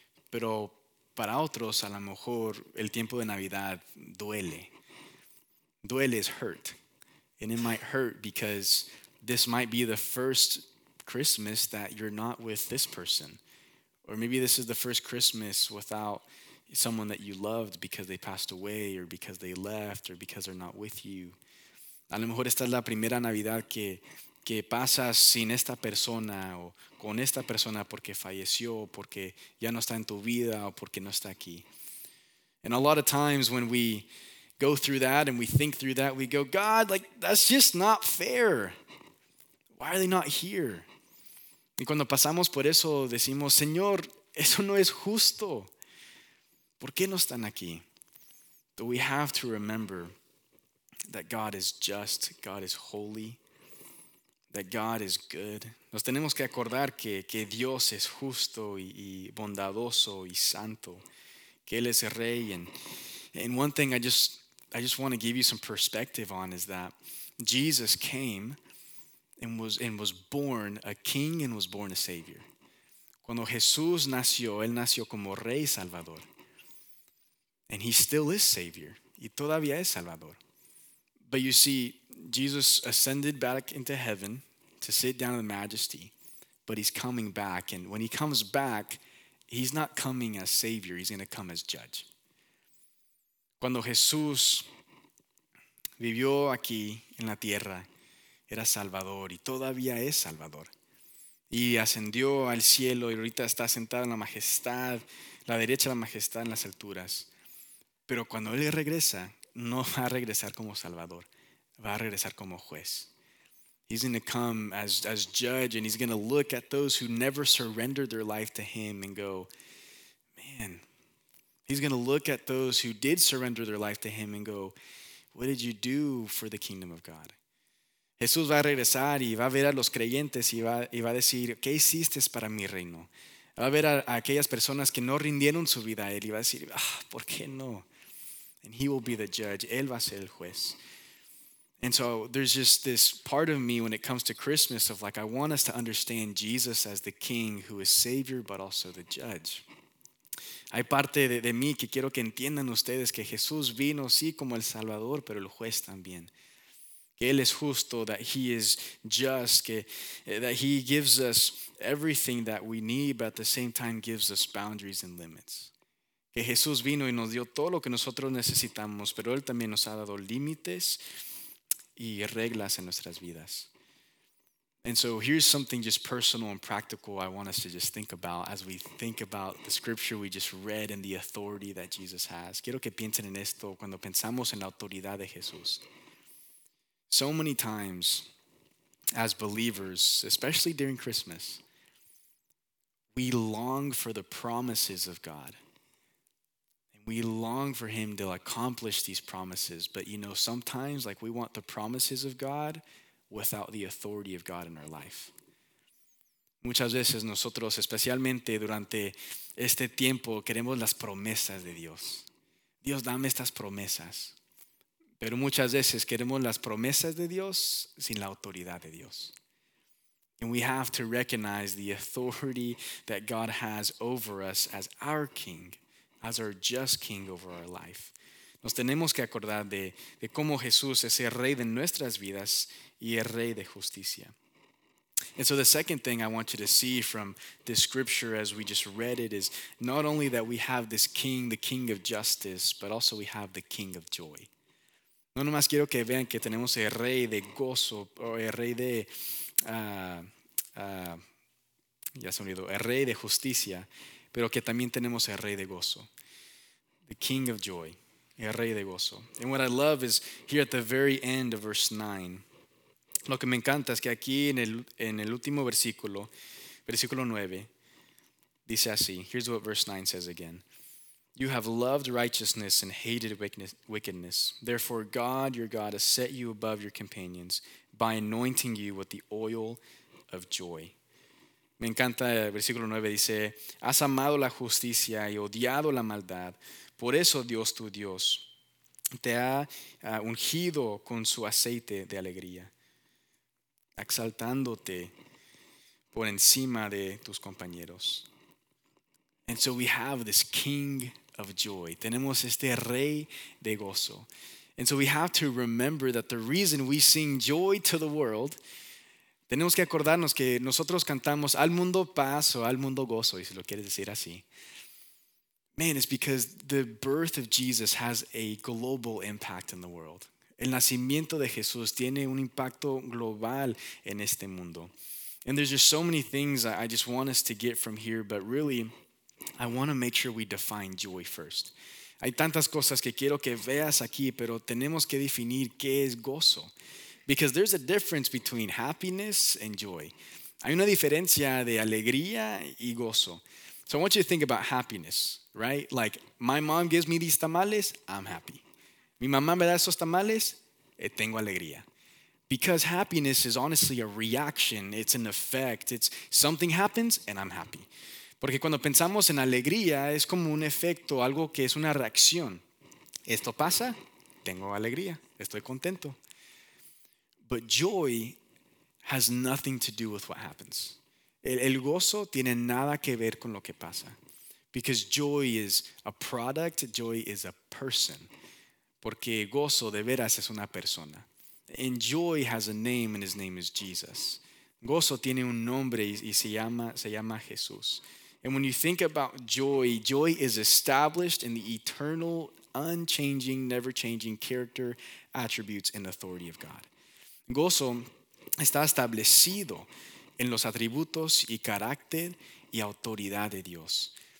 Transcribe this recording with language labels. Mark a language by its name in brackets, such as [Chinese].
[Spanish] Pero para otros, a lo mejor, el tiempo de Navidad duele. Duele es hurt. [English] And it might hurt because this might be the first Christmas that you're not with this person. Or maybe this is the first Christmas without, someone that you loved because they passed away or because they left or because they're not with you. [Spanish] A lo mejor esta es la primera Navidad que pasas sin esta persona o con esta persona porque falleció, porque ya no está en tu vida o porque no está aquí. [English] And a lot of times when we go through that and we think through that, we go, God, like, that's just not fair. Why are they not here? [Spanish] Y cuando pasamos por eso, decimos, Señor, eso no es justo. ¿Por qué no están aquí? [English] But we have to remember that God is just, God is holy, that God is good. [Spanish] Nos tenemos que acordar que Dios es justo y bondadoso y santo, que Él es rey. [English] And one thing I just want to give you some perspective on is that Jesus came and was born a king and was born a savior. [Spanish] Cuando Jesús nació, Él nació como rey salvador. [English] And He still is savior. [Spanish] Y todavía es salvador. [English] But you see, Jesus ascended back into heaven to sit down in majesty, but He's coming back. And when He comes back, He's not coming as savior. He's going to come as judge. [Spanish] Cuando Jesús vivió aquí en la tierra, era salvador y todavía es salvador. Y ascendió al cielo y ahorita está sentado en la majestad, la derecha de la majestad en las alturas. Pero cuando Él regresa, no va a regresar como salvador, va a regresar como juez. [English] He's going to come as judge, and He's going to look at those who never surrendered their life to Him and go, man. He's going to look at those who did surrender their life to Him and go, what did you do for the kingdom of God? [Spanish] Jesús va a regresar y va a ver a los creyentes y va a decir, ¿qué hiciste para mi reino? Va a ver a aquellas personas que no rindieron su vida a Él y va a decir, ah, ¿por qué no? [English] And He will be the judge. [Spanish] Él va a ser el juez. [English] And so there's just this part of me when it comes to Christmas of like, I want us to understand Jesus as the king who is savior but also the judge. [Spanish] Hay parte de mí que quiero que entiendan ustedes que Jesús vino, sí, como el salvador, pero el juez también. Él es justo, [English] that He is just, that He gives us everything that we need, but at the same time gives us boundaries and limits. [Spanish] Que Jesús vino y nos dio todo lo que nosotros necesitamos, pero Él también nos ha dado límites y reglas en nuestras vidas. [English] And so here's something just personal and practical I want us to just think about as we think about the scripture we just read and the authority that Jesus has. [Spanish] Quiero que piensen en esto cuando pensamos en la autoridad de Jesús. [English] So many times, as believers, especially during Christmas, we long for the promises of God. And we long for Him to accomplish these promises. But you know, sometimes like we want the promises of God without the authority of God in our life. [Spanish] Muchas veces nosotros, especialmente durante este tiempo, queremos las promesas de Dios. Dios, dame estas promesas. Pero muchas veces queremos las promesas de Dios sin la autoridad de Dios. [English] And we have to recognize the authority that God has over us as our King, as our just King over our life. [Spanish] Nos tenemos que acordar de cómo Jesús es el Rey de nuestras vidas y el Rey de justicia. [English] And so the second thing I want you to see from this scripture as we just read it is not only that we have this King, the King of justice, but also we have the King of joy. [Spanish] No nomás quiero que vean que tenemos el Rey de gozo o el Rey de el Rey de justicia, pero que también tenemos el Rey de gozo. [English] The King of joy. [Spanish] El Rey de gozo. [English] And what I love is here at the very end of verse 9. [Spanish] Lo que me encanta es que aquí en el último versículo, versículo 9, dice así. [English] Here's what verse 9 says again. You have loved righteousness and hated wickedness. Therefore, God, your God, has set you above your companions by anointing you with the oil of joy. [Spanish] Me encanta el versículo 9. Dice, has amado la justicia y odiado la maldad. Por eso Dios, tu Dios, te ha ungido con su aceite de alegría, exaltándote por encima de tus compañeros. [English] And so we have this King of joy. [Spanish] Tenemos este Rey de gozo. [English] And so we have to remember that the reason we sing joy to the world, [Spanish] tenemos que acordarnos que nosotros cantamos al mundo paz o al mundo gozo, y si lo quieres decir así. [English] Man, it's because the birth of Jesus has a global impact in the world. [Spanish] El nacimiento de Jesús tiene un impacto global en este mundo. [English] And there's just so many things I just want us to get from here, but really, I want to make sure we define joy first. [Spanish] Hay tantas cosas que quiero que veas aquí, pero tenemos que definir qué es gozo. [English] Because there's a difference between happiness and joy. [Spanish] Hay una diferencia de alegría y gozo. [English] So I want you to think about happiness, right? Like, my mom gives me these tamales, I'm happy. [Spanish] Mi mamá me da esos tamales, tengo alegría. [English] Because happiness is honestly a reaction, it's an effect, it's something happens and I'm happy. [Spanish] Porque cuando pensamos en alegría, es como un efecto, algo que es una reacción. Esto pasa, tengo alegría, estoy contento. [English] But joy has nothing to do with what happens. [Spanish] El gozo tiene nada que ver con lo que pasa. [English] Because joy is a product, joy is a person. [Spanish] Porque gozo de veras es una persona. [English] And joy has a name and his name is Jesus. [Spanish] Gozo tiene un nombre y se llama Jesús. [English] And when you think about joy, joy is established in the eternal, unchanging, never-changing character, attributes, and authority of God. [Spanish] Gozo está establecido en los atributos y carácter y autoridad de Dios.